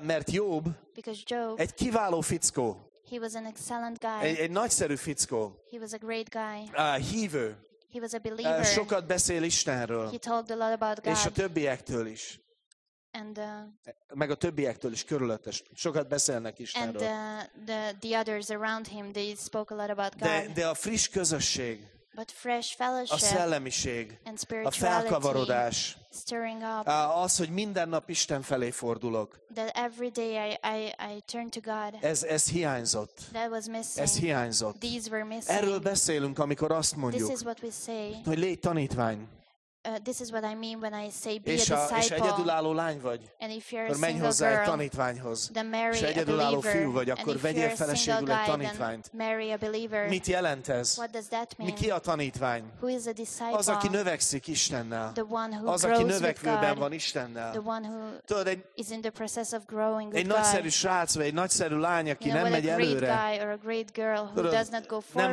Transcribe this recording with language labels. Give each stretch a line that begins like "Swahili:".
Hungarian: Mert Jobb egy kiváló fickó.
English: He was an excellent guy.
Hungarian: Egy nagyszerű fickó.
English: He was a great guy.
Hungarian: Hívő.
English: He was a believer.
Hungarian: Sokat beszél Istenről.
English: He talked a lot about God.
Hungarian: És a többiektől is.
English: And
Hungarian: meg a többiektől is körülöttes sokat beszélnek is
English: and the others around him they spoke a lot about God
Hungarian: de a friss közösség
English: but fresh fellowship
Hungarian: a szellemiség
English: and spirituality,
Hungarian: a felkavarodás
English: stirring up
Hungarian: az hogy minden nap Isten felé fordulok
English: that every day I turn to God
Hungarian: ez hiányzott
English: that was missing
Hungarian: ez hiányzott
English: these were missing
Hungarian: erről beszélünk amikor azt mondjuk
English: this is what we say
Hungarian: hogy légy tanítvány.
English: This is what I mean when I say be
Hungarian: és
English: a disciple.
Hungarian: És egyedülálló lány vagy,
English: and if you're a single
Hungarian: menj hozzá
English: girl,
Hungarian: egy tanítványhoz.
English: Then marry
Hungarian: és egyedülálló
English: a believer,
Hungarian: fiú vagy, akkor vegyél feleségül egy tanítványt.
English: Marry a believer.
Hungarian: Mit jelent ez?
English: What does that mean?
Hungarian: Ki a tanítvány?
English: Who is a disciple?
Hungarian: Az, aki növekszik Istennel.
English: The one who
Hungarian: az, aki növekvőben van Istennel.
English: The one who
Hungarian: tudod,
English: is in the process of growing with
Hungarian: egy
English: God.
Hungarian: Nagyszerű srác vagy egy nagyszerű lány, aki
English: you know,
Hungarian: nem megy előre.
English: Guy or a great girl who tudod, does not go forward.